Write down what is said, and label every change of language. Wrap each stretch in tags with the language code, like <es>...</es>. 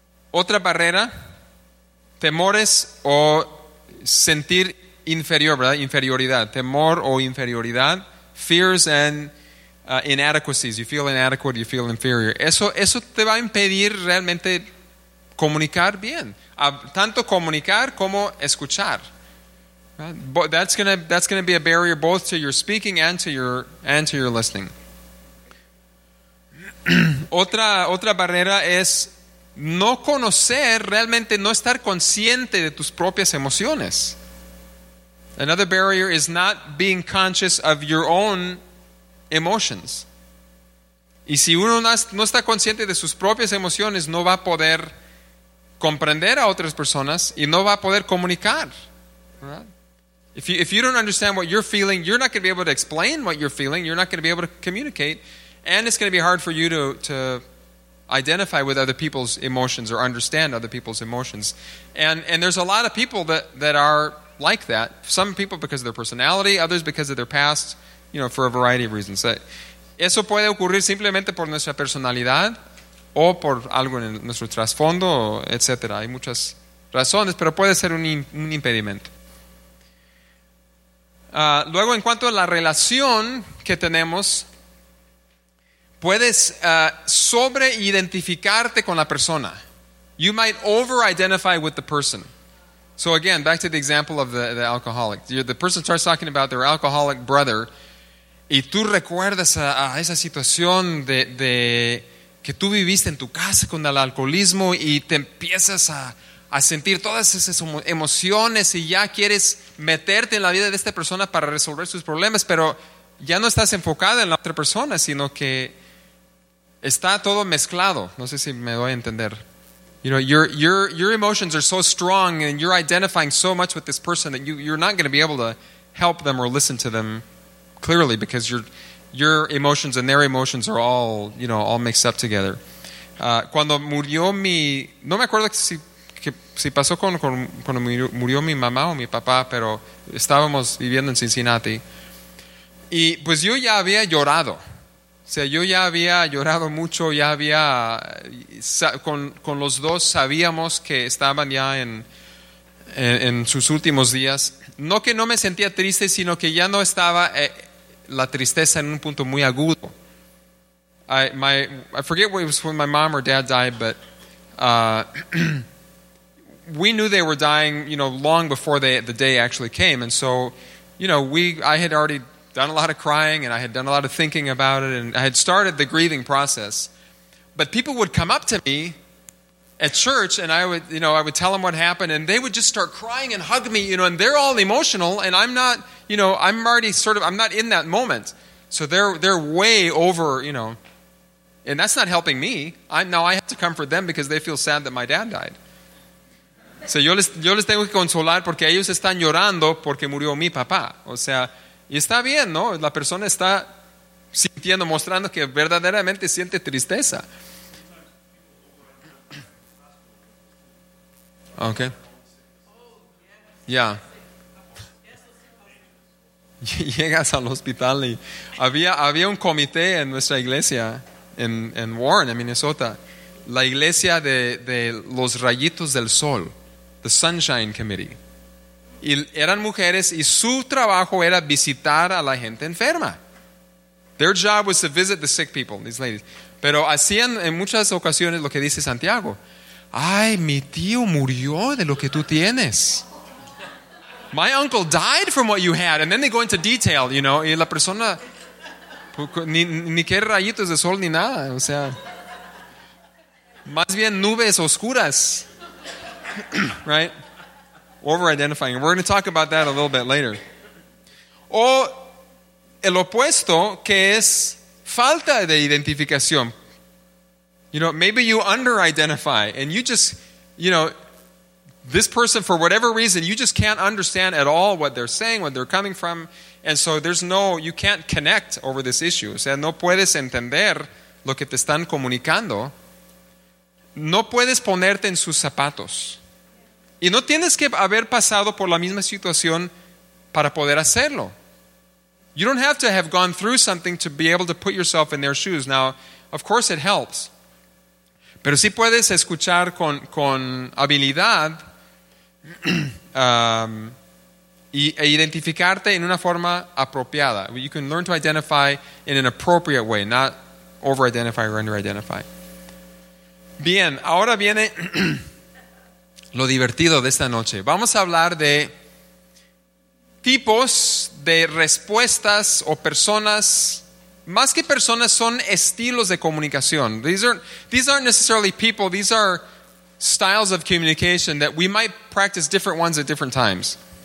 <es>Otra barrera, temores o sentir inferior, ¿verdad? Inferioridad, temor o inferioridad,</es> <en>fears and inadequacies, you feel inadequate, you feel inferior.</en> <es>Eso te va a impedir realmente comunicar bien, tanto comunicar como escuchar.</es> <en>But that's gonna be a barrier both to your speaking and to your listening.</en> <es>Otra barrera es no conocer realmente, no estar consciente de tus propias emociones.</es> <en>Another barrier is not being conscious of your own emotions.</en> <es>Y si uno no está consciente de sus propias emociones, no va a poder comprender a otras personas y no va a poder comunicar.</es> <en>If you don't understand what you're feeling, you're not going to be able to explain what you're feeling, you're not going to be able to communicate, and it's going to be hard for you to identify with other people's emotions or understand other people's emotions. And there's a lot of people that are like that. Some people because of their personality, others because of their past, you know, for a variety of reasons.</en> <es>Eso puede ocurrir simplemente por nuestra personalidad o por algo en nuestro trasfondo, etc. Hay muchas razones, pero puede ser un impedimento. Luego, en cuanto a la relación que tenemos, puedes sobre-identificarte con la persona.</es> <en>You might over-identify with the person. So again, back to the example of the alcoholic. The person starts talking about their alcoholic brother,</en> <es>y tú recuerdas a esa situación de que tú viviste en tu casa con el alcoholismo y te empiezas a sentir todas esas emociones y ya quieres meterte en la vida de esta persona para resolver sus problemas, pero ya no estás enfocada en la otra persona, sino que está todo mezclado. No sé si me doy a entender.</es> <en>You know, your emotions are so strong and you're identifying so much with this person that you're not going to be able to help them or listen to them clearly because your emotions and their emotions are all, you know, all mixed up together.</en> <es>Cuando murió mi... No me acuerdo si pasó cuando murió mi mamá o mi papá, pero estábamos viviendo en Cincinnati. Y pues yo ya había llorado. O sea, yo ya había llorado mucho, ya había... Con los dos sabíamos que estaban ya en sus últimos días. No que no me sentía triste, sino que ya no estaba... la tristeza en un punto muy agudo.</es> <en>I forget what it was when my mom or dad died, but we knew they were dying, you know, long before the day actually came. And so, you know, I had already done a lot of crying and I had done a lot of thinking about it and I had started the grieving process. But people would come up to me at church and I would, you know, I would tell them what happened and they would just start crying and hug me, you know, and they're all emotional and I'm not, you know, I'm already sort of, I'm not in that moment. So they're way over, you know, And that's not helping me. I have to comfort them because they feel sad that my dad died.</en> <es>So yo les tengo que consolar porque ellos están llorando porque murió mi papá. O sea, y está bien, ¿no? La persona está sintiendo, mostrando que verdaderamente siente tristeza.</es> <en>Okay. Yeah.</en> <es>Llegas al hospital y había un comité en nuestra iglesia en Warren, en Minnesota, la iglesia de los rayitos del sol, the Sunshine Committee. Y eran mujeres y su trabajo era visitar a la gente enferma.</es> <en>Their job was to visit the sick people, these ladies.</en> <es>Pero hacían en muchas ocasiones lo que dice Santiago. Ay, mi tío murió de lo que tú tienes.</es> <en>My uncle died from what you had. And then they go into detail, you know.</en> <es>Y la persona, ni qué rayitos de sol ni nada. O sea, más bien nubes oscuras.</es> <en>Right? Over-identifying. We're going to talk about that a little bit later.</en> <es>O el opuesto, que es falta de identificación.</es> <en>You know, maybe you under-identify and you just, you know, this person, for whatever reason, you just can't understand at all what they're saying, what they're coming from, and so there's no, you can't connect over this issue.</en> <es>O sea, no puedes entender lo que te están comunicando. No puedes ponerte en sus zapatos. Y no tienes que haber pasado por la misma situación para poder hacerlo.</es> <en>You don't have to have gone through something to be able to put yourself in their shoes. Now, of course it helps.</en> <es>Pero sí puedes escuchar con habilidad e identificarte en una forma apropiada.</es> <en>You can learn to identify in an appropriate way, not over-identify or under-identify.</en> <es>Bien, ahora viene lo divertido de esta noche. Vamos a hablar de tipos de respuestas o personas. Más que personas, son estilos de comunicación.</es> <en>These aren't necessarily people. These are styles of communication that we might practice different ones at different times.</en>